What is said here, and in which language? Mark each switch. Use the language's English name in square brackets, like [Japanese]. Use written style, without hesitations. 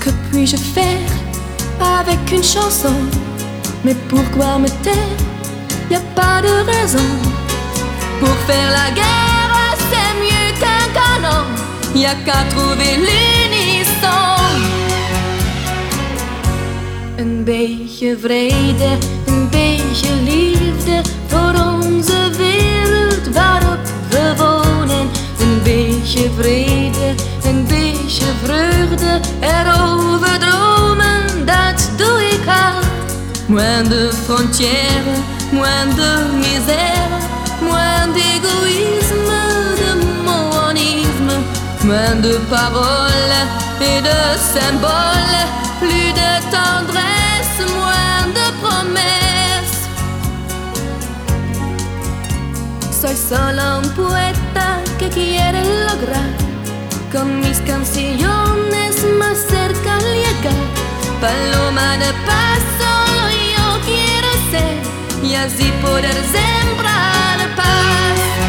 [French] Puis-je faire avec une chanson? Mais pourquoi me taire? Y'a pas de raison. Pour faire la guerre, c'est mieux qu'un canon. Y'a qu'à trouver l'unisson. [Dutch] Un beetje vrede, un beetje liefde voor onze wereld waarop we wonen. Un beetje vrede, een beetje vreugde erover dromen, dat doe ik al. [French] Moins de frontière, moins de misère, moins d'égoïsme, de monisme, moins de paroles et de symboles, plus de tendresse, moins de promesses. [Spanish] Soy solo un poeta que quiere lograr con mis canciones más cerca al llegar. Paloma de paso yo quiero ser, y así poder sembrar paz.